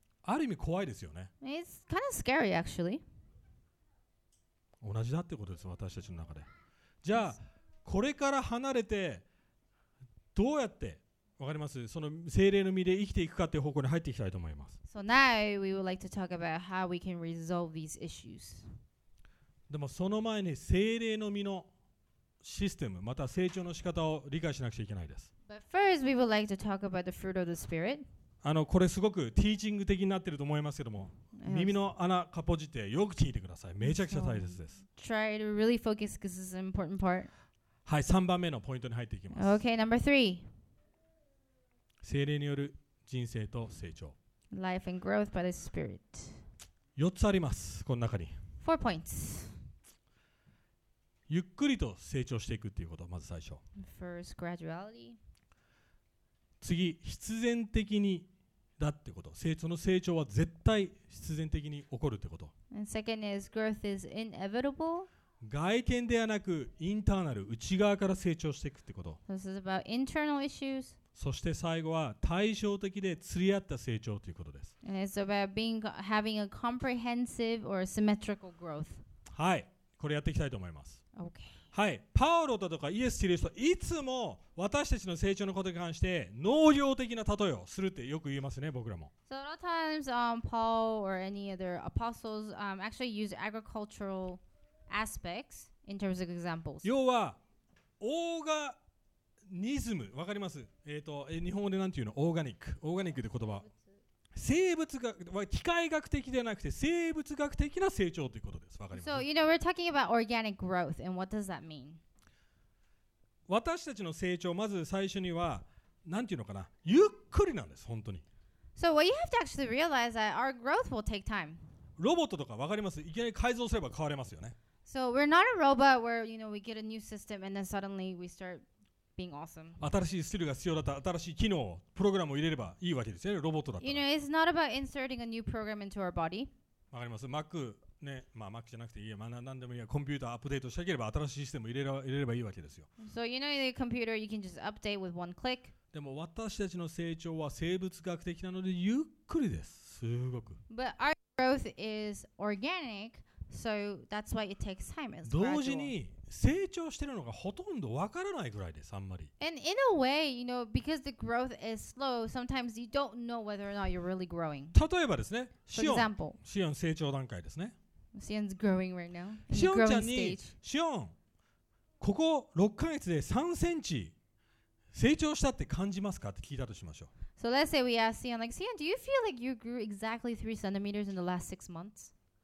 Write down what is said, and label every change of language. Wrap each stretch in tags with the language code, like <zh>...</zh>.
<ja>ある意味怖いですよね。</ja> <en>It's kind of scary actually.</en> <ja>同じだってことです、私たちの中で。じゃあこれから離れてどうやって、わかります？その聖霊の身で生きていくかっていう方向に入っていきたいと思います。</ja> <en>So now we would like to talk about how we can resolve these issues.</en> <ja>でもその前に聖霊の身のシステム、また成長の仕方を理解しなくちゃいけないです。</ja> <en>But first, we would like to talk about the fruit of the spirit.</en> <ja>これすごくティーチング的になってると思いますけども、耳の穴かぽじってよく聞いてください。めちゃくちゃ大切です。</ja> <en>So, try to really focus because this is an important part.</en> <ja>はい、3番目のポイントに入っていきます。</ja> <en>Okay, number three.</en> <ja>聖霊による人生と成長。</ja> <en>Life and growth by the spirit.</en> <ja>4つあります、この中に。</ja> <en>4 points.</en> <ja>ゆっくりと成長していくっていうことはまず最初。</ja> <en>First, graduality.</en> <ja>次、必然的にだってこと。その成長は絶対必然的に起こるってこと。</ja> <en>And second is growth is inevitable.</en> <ja>外見ではなくインターナル、内側から成長していくってこと。</ja> <en>This is about internal issues.</en> <ja>そして最後は対照的で釣り合った成長ということです。</ja> <en>And it's about having a comprehensive or symmetrical growth.</en> <ja>はい、これやっていきたいと思います。</ja> <en>Okay.</en> <ja>はい、パウロだとかイエス・キリストいつも私たちの成長のことに関して農業的な例えをするってよく言いますね、僕らも。</ja> <en>So a lot of times, Paul or any other apostles, actually use agricultural aspects in terms of examples.</en> <ja>要はオーガニズム、わかります、日本語でなんていうの、オーガニック、オーガニックって言葉、生物学は機械学的ではなくて生物学的な成長ということです。わかります。</ja> <en>So you know we're talking about organic growth and what does that mean?</en> <ja>私たちの成長、まず最初にはなんていうのかな、ゆっくりなんです本当に。</ja> <en>So what you have to actually realize is that our growth will take time.</en> <ja>ロボットとかわかります、いきなり改造すれば変われますよね。</ja> <en>So we're not a robot where you know we get a new system and then suddenly we start being awesome.</en> <ja>新しいスキルが必要だった、新しい機能、プログラムを入れればいいわけですよね、ロボットだった</ja> <en>ら。 You know, it's not about inserting a new program into our body.</en> <ja>わかります。 Mac ね、まあ Mac じゃなくていいや、まあ何でもいいや、コンピューターアップデートしたければ新しいシステムを入れればいいわけですよ。</ja> <en>So you know, the computer you can just update with one click.</en> <ja>でも私たちの成長は生物学的なのでゆっくりです。すごく。</ja> <en>But our growth is organic. So that's why it takes time. It's</en> <ja>同時に成長してるのがほとんどわからないぐらいです、あんまり。</ja> <en>And in a way, you know, because the growth is slow, sometimes you don't know whether or not you're really growing.</en> <ja>例えばですね、シオン、シオン成長段階ですね。</ja> <en>Sion's growing right now.</en> <ja>シオンちゃんに、シオン、ここ6ヶ月で3センチ成長したって感じますかって聞いたとしましょう。</ja> <en>So let's say we ask Sion, like, Sion, do you feel like you grew exactly 3 centimeters in the last 6 months?</en>